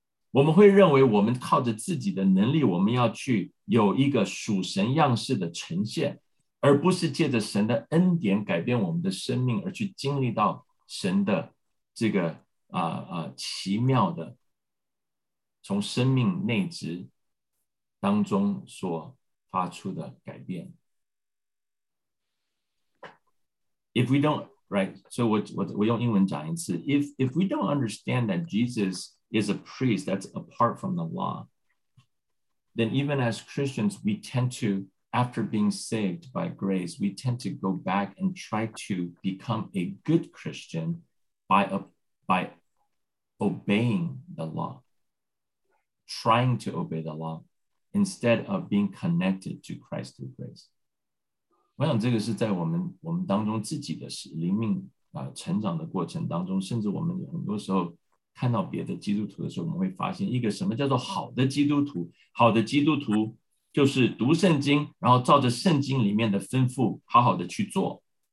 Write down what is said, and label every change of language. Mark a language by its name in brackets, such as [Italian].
[Chinese] 我们会认为我们靠着自己的能力，我们要去有一个属神样式的呈现，而不是借着神的恩典改变我们的生命，而去经历到神的这个奇妙的从生命内质当中所发出的改变。 [English] If we don't, right, so [Chinese] 我用英文讲一次， [English] if we don't understand that Jesusis a priest that's apart from the law, then even as Christians, we tend to, after being saved by grace, we tend to go back and try to become a good Christian by obeying the law, trying to obey the law, instead of being connected to Christ through grace. [Chinese] 我想这个是在我们当中自己的灵命成长的过程当中，甚至我们很多时候看到别的基督徒的时候，我们会发现一个什么叫做好的基督徒。好的基督徒就是读圣经，然后照着圣经里面的吩咐好好的去做。